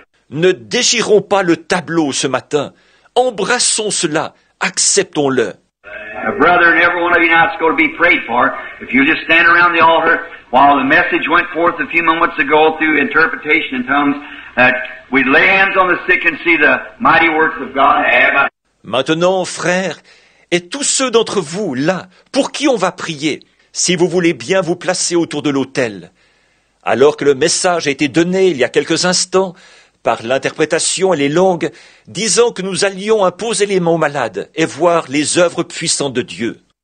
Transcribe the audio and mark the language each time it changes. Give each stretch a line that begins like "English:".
French: Ne déchirons pas le tableau ce matin. Embrassons cela. Acceptons-le.
English: A brother and every one of you now is going to be prayed for. If you just stand around the altar while the message went forth a few moments ago through interpretation in tongues, that we lay hands on the sick and see the mighty works of God.
French: Maintenant, frères, et tous ceux d'entre vous là, pour qui on va prier, si vous voulez bien vous placer autour de l'autel, alors que le message a été donné il y a quelques instants par l'interprétation et les langues, disant que nous allions imposer les mains aux malades et voir les œuvres puissantes de Dieu.